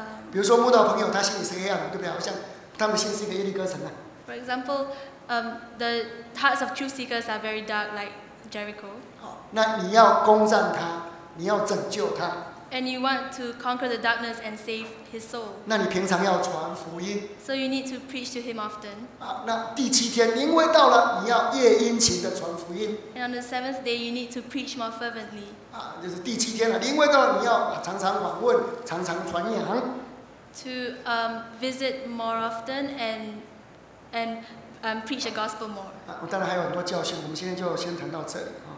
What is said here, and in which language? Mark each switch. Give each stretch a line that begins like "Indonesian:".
Chinese: 比如说，慕道朋友他心里是黑暗的，对不对？好像他们心是一个耶利哥城啊。
English: For example, the hearts of truth seekers are very dark, like Jericho.
Chinese: 那你要攻占他，你要拯救他。
English: And you want to conquer the darkness and save his soul.
Chinese: 那你平常要传福音。
English: So you need to preach to him often.
Chinese: 啊，那第七天临危到了，你要越殷勤的传福音。
English: And on the seventh day, you need to preach more fervently.
Chinese: 啊，就是第七天了，临危到了，你要常常访问，常常传扬。
English: To visit more often and preach the gospel more.
Chinese: 啊，我当然还有很多教训，我们今天就先谈到这里啊。